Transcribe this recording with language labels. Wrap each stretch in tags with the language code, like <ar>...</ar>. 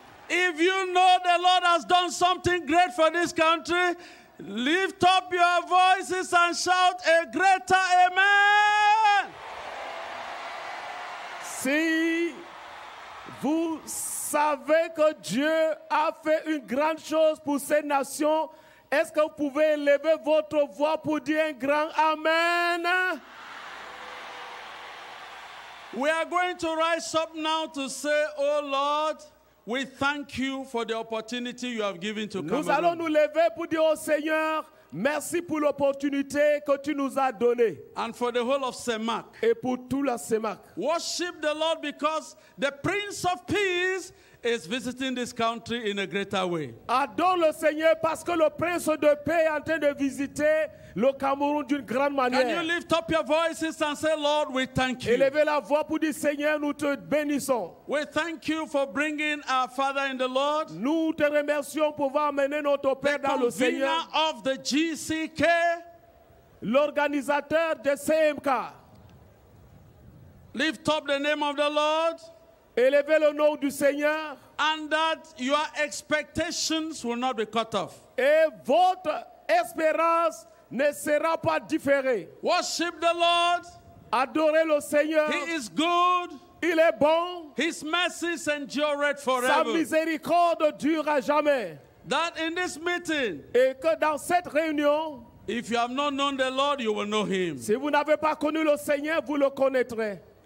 <en>If you know the Lord has done something great for this country, lift up your voices and shout a greater amen.</en> <fr>Si vous savez que Dieu a fait une grande chose pour ces nations, est-ce que vous pouvez élever votre voix pour dire un grand amen?</fr> <en>We are going to rise up now to say, oh Lord, we thank you for the opportunity you have given to Cameroon.</en> <fr>Nous allons nous lever pour dire au Seigneur, merci pour l'opportunité que tu nous as donnée.</fr> <en>And for the whole of CEMAC.</en> <fr>Et pour tout la CEMAC.</fr> <en>Worship the Lord because the Prince of Peace is visiting this country in a greater way.</en> <fr>Adore le Seigneur parce que le Prince de Paix est en train de visiter le Cameroun d'une grande manière.</fr> <en>Can you lift up your voices and say, Lord, we thank you.</en> <fr>Élevez la voix pour dire, Seigneur, nous te bénissons.</fr> <en>We thank you for bringing our Father in the Lord.</en> <fr>Nous te remercions pour avoir amené notre Père dans le Seigneur.</fr> <en>The convener of the GCK,</en> <fr>l'organisateur de CMK.</fr> <en>Lift up the name of the Lord.</en> <fr>Élevez le nom du Seigneur.</fr> <en>And that your expectations will not be cut off.</en> <fr>Et votre espérance ne sera pas différée.</fr> <en>Worship the Lord.</en> <fr>Adorez le Seigneur.</fr> <en>He is good.</en> <fr>Il est bon.</fr> <en>His mercies endure forever.</en> <fr>Sa miséricorde dure à jamais.</fr> <en>That in this meeting,</en> <fr>et que dans cette réunion,</fr> <en>if you have not known the Lord, you will know him.</en> <fr>Si vous n'avez pas connu le Seigneur, vous le connaîtrez.</fr>